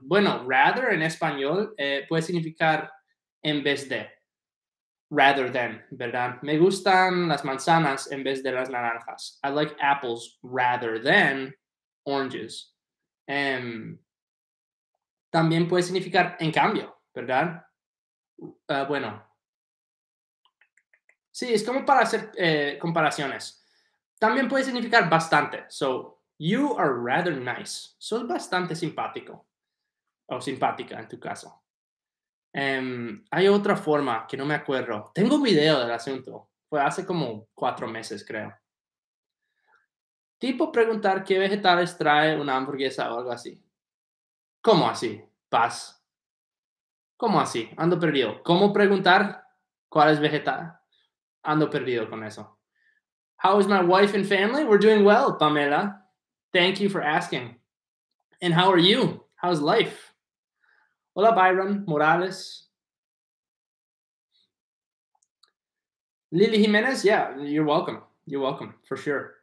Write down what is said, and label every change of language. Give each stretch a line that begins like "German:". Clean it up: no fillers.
Spanish: Bueno, rather en español puede significar en vez de. Rather than, ¿verdad? Me gustan las manzanas en vez de las naranjas.
English: I like apples rather than oranges.
Spanish: También puede significar en cambio, ¿verdad? Bueno. Sí, es como para hacer comparaciones. También puede significar bastante.
English: So, you are rather nice.
Spanish: Sos bastante simpático. O simpática en tu caso. Hay otra forma que no me acuerdo. Tengo un video del asunto. Fue hace como 4 meses, creo. Tipo preguntar qué vegetales trae una hamburguesa o algo así. ¿Cómo así? Paz. ¿Cómo así? Ando perdido. ¿Cómo preguntar cuál es vegetal? Ando perdido con eso.
English: How is my wife and family? We're doing well, Pamela. Thank you for asking. And how are you? How's life?
Spanish: Hola, Byron Morales.
English: Lily Jimenez, yeah, you're welcome. You're welcome, for sure.